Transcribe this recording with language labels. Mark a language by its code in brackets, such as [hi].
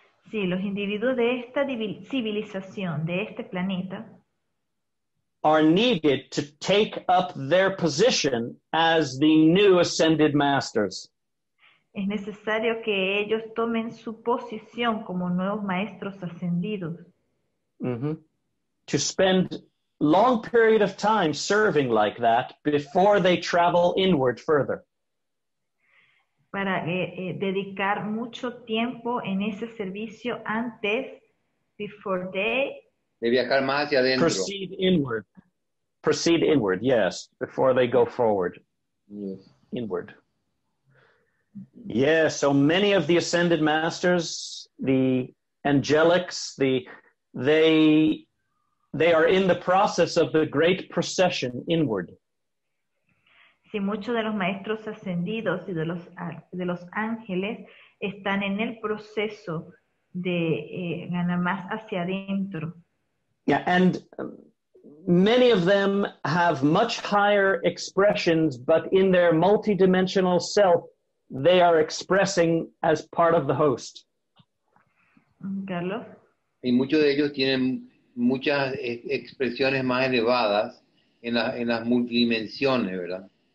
[es] Sí, los individuos de esta civilización, de este planeta, [en] are needed to take up their position as the new ascended masters. [es] Es necesario que ellos tomen su posición como nuevos maestros ascendidos. Mm-hmm. [en] To spend long period of time serving like that before they travel inward further. [es] Para dedicar mucho tiempo en ese servicio antes, [en] before they... [es] De viajar más hacia adentro. [en] Proceed inward. Proceed inward, yes. Before they go forward. Yes. Inward. Yes, so many of the ascended masters, the angelics, they are in the process of the great procession inward. [es] Si muchos de los maestros ascendidos y de los ángeles están en el proceso de ganar más hacia adentro. [en] Yeah, and many of them have much higher expressions, but in their multidimensional self, they are expressing as part of the host. Carlos. [es] Y muchos de ellos tienen muchas expresiones más elevadas en las multidimensiones, ¿verdad?